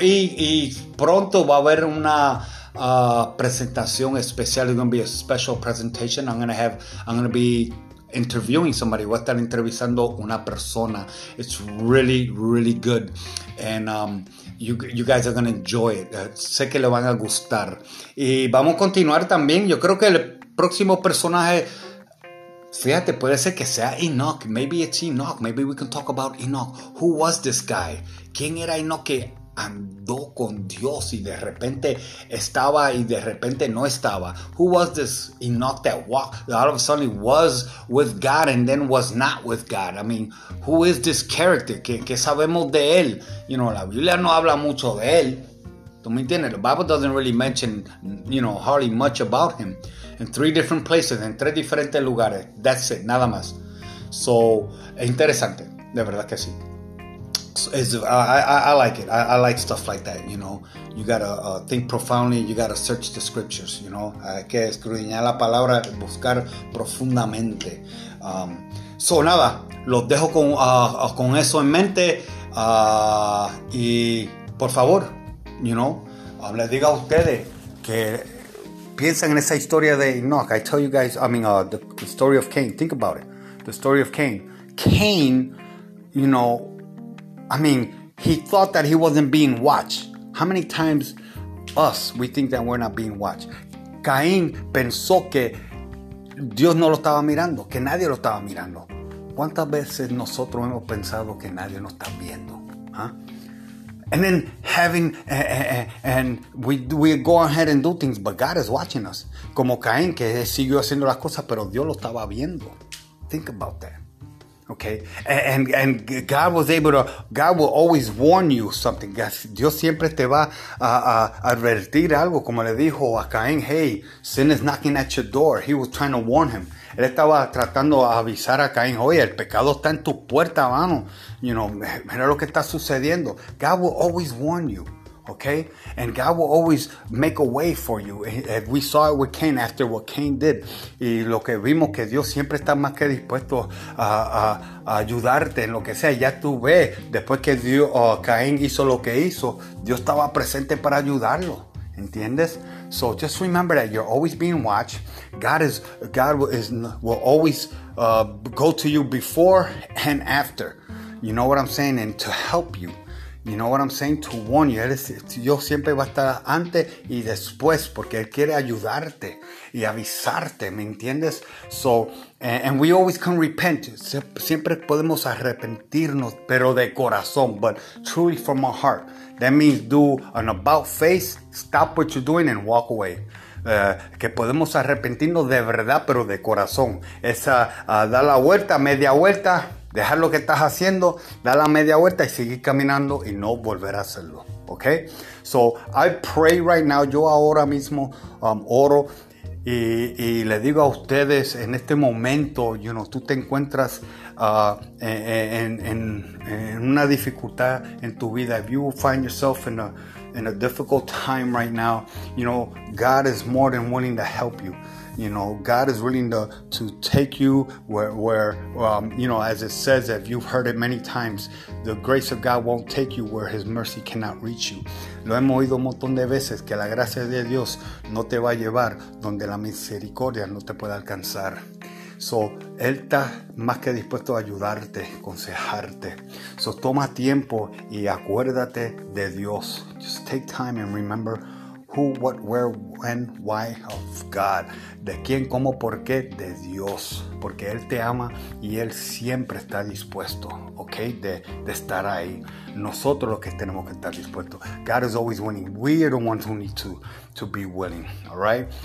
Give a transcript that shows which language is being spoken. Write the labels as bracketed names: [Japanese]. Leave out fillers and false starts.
[Spanish] Y pronto va a haber una presentación especial. [English] It's going to be a special presentation. I'm going to be interviewing somebody. [Spanish] Voy a estar entrevistando una persona. [English] It's really, really good. And you guys are going to enjoy it. [Spanish] Sé que le van a gustar. Y vamos a continuar también. Yo creo que el próximo personaje, fíjate, puede ser que sea Enoch. [English] Maybe it's Enoch. Maybe we can talk about Enoch. Who was this guy? [Spanish] ¿Quién era Enoch que andó con Dios y de repente estaba y de repente no estaba? [English] Who was this Enoch that walked, that all of a sudden was with God and then was not with God? I mean, who is this character? [Spanish] ¿Qué sabemos de él? [English] You know, [Spanish] la Biblia no habla mucho de él. ¿Tú me entiendes? [English] The Bible doesn't really mention, you know, hardly much about him. In three different places, [Spanish] en tres diferentes lugares. [English] That's it, [Spanish] nada más. So, interesante, de verdad que sí. [English] So, I like it. I like stuff like that, you know. You gotta think profoundly, you gotta search the scriptures, you know. [Spanish] Hay que escudriñar la palabra, buscar profundamente. So, nada, los dejo con eso en mente. Y, por favor, [English] you know, [Spanish] les digo a ustedes que piensen en esa historia de Enoch. [English] I tell you guys, I mean, the story of Cain. Think about it. The story of Cain. Cain, you know, I mean, he thought that he wasn't being watched. How many times us, we think that we're not being watched? [Spanish] Cain pensó que Dios no lo estaba mirando, que nadie lo estaba mirando. ¿Cuántas veces nosotros hemos pensado que nadie nos está viendo? ¿Ah? Huh? [English] And then having, and we go ahead and do things, but God is watching us. [Spanish] Como Cain, que siguió haciendo las cosas, pero Dios lo estaba viendo. [English] Think about that. Okay? And God was able to, God will always warn you something. [Spanish] Dios siempre te va a advertir algo, como le dijo a Cain, [English] hey, sin is knocking at your door. He was trying to warn him. [Spanish] Él estaba tratando de avisar a Cain, oye, el pecado está en tu puerta, mano. [English] You know, [Spanish] mira lo que está sucediendo. [English] God will always warn you, okay? And God will always make a way for you. And we saw it with Cain after what Cain did. [Spanish] Y lo que vimos que Dios siempre está más que dispuesto a ayudarte en lo que sea. Ya tú ves, después que Dios, Cain hizo lo que hizo, Dios estaba presente para ayudarlo. ¿Entiendes? [English] So just remember that you're always being watched. God will always go to you before and after. You know what I'm saying? And to help you. You know what I'm saying? To warn you. [Spanish] Dios siempre va a estar antes y después porque Él quiere ayudarte y avisarte. ¿Me entiendes? [English] So, and we always can repent. [Spanish] Siempre podemos arrepentirnos, pero de corazón. [English] But truly from our heart. That means do an about face, stop what you're doing and walk away. [Spanish] Que podemos arrepentirnos de verdad, pero de corazón. Esa, da la vuelta, media vuelta, dejar lo que estás haciendo, da la media vuelta y seguir caminando y no volver a hacerlo. Okay? [English] So I pray right now, [Spanish] yo ahora mismo oro y le digo a ustedes en este momento, [English] you know, [Spanish] tú te encuentras en una dificultad en tu vida. [English] If you find yourself in a difficult time right now, you know, God is more than willing to help you. You know, God is willing to take you where you know, as it says, if you've heard it many times, the grace of God won't take you where His mercy cannot reach you. [Spanish] Lo hemos oído un montón de veces, que la gracia de Dios no te va a llevar donde la misericordia no te puede alcanzar. So, Él está más que dispuesto a ayudarte, aconsejarte. So, toma tiempo y acuérdate de Dios. [English] Just take time and remember who, what, where, when, why of God. [Spanish] De quién, cómo, por qué, de Dios. Porque Él te ama y Él siempre está dispuesto, ¿ok? De estar ahí. Nosotros los que tenemos que estar dispuestos. [English] God is always willing. We are the ones who need to be willing, all right?